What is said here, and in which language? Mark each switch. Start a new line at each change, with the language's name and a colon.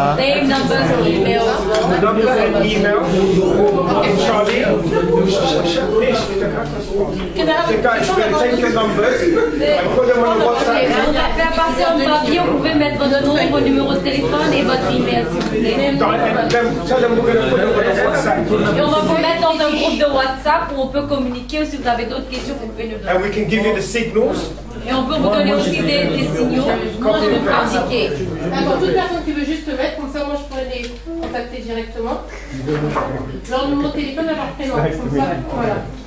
English: Name, numbers, email. The numbers and email. Okay. Charlie, please. Guys, take the numbers. Put them on WhatsApp.
French: On va passer en papier, vous pouvez mettre votre nom, vos numéros de téléphone et votre email, s'il vous plaît.
English: Tell them we're going to put them on WhatsApp.
French: Et on va vous mettre en un groupe de WhatsApp où on peut communiquer ou si vous avez d'autres questions, vous pouvez nous donner.
English: And we can give you the signals.
French: Et on peut vous donner aussi des signaux pour nous communiquer. Pour toute personne qui veut juste mettre, comme ça, moi, je pourrais les contacter directement. Leur numéro de téléphone, leur prénom, comme ça, voilà.